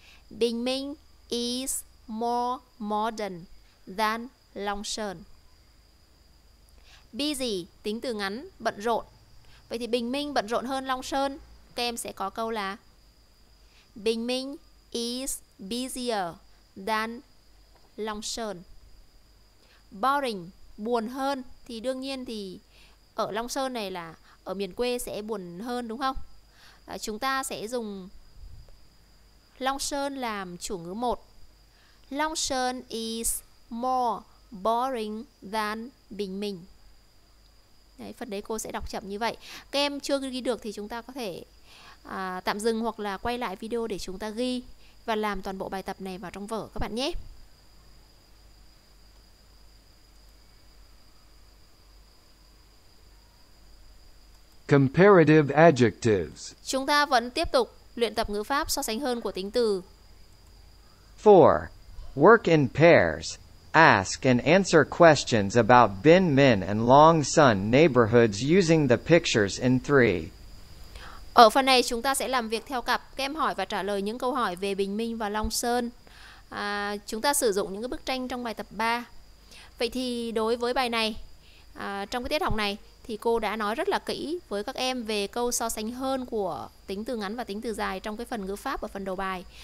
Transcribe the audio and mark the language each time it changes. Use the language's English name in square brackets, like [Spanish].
[English] Bình Minh is more modern than Long Sơn. [Vietnamese] Busy, tính từ ngắn, bận rộn. Vậy thì Bình Minh bận rộn hơn Long Sơn. Các em sẽ có câu là Bình Minh [English] is busier than [Vietnamese] Long Sơn. Boring, buồn hơn, thì đương nhiên thì ở Long Sơn này là ở miền quê sẽ buồn hơn, đúng không? Chúng ta sẽ dùng Long Sơn làm chủ ngữ một. [English] Long Sơn is more boring than Bình Minh. [Vietnamese] Đấy, phần đấy cô sẽ đọc chậm như vậy. Các em chưa ghi được thì chúng ta có thể tạm dừng hoặc là quay lại video để chúng ta ghi và làm toàn bộ bài tập này vào trong vở các bạn nhé. [English] Comparative adjectives. [Vietnamese] Chúng ta vẫn tiếp tục luyện tập ngữ pháp so sánh hơn của tính từ. [English] 4. Work in pairs. Ask and answer questions about Bình Minh and Long Sơn neighborhoods using the pictures in 3. [Vietnamese] Ở phần này chúng ta sẽ làm việc theo cặp, các em hỏi và trả lời những câu hỏi về Bình Minh và Long Sơn. Chúng ta sử dụng những cái bức tranh trong bài tập 3. Vậy thì đối với bài này, trong cái tiết học này thì cô đã nói rất là kỹ với các em về câu so sánh hơn của tính từ ngắn và tính từ dài trong cái phần ngữ pháp ở phần đầu bài.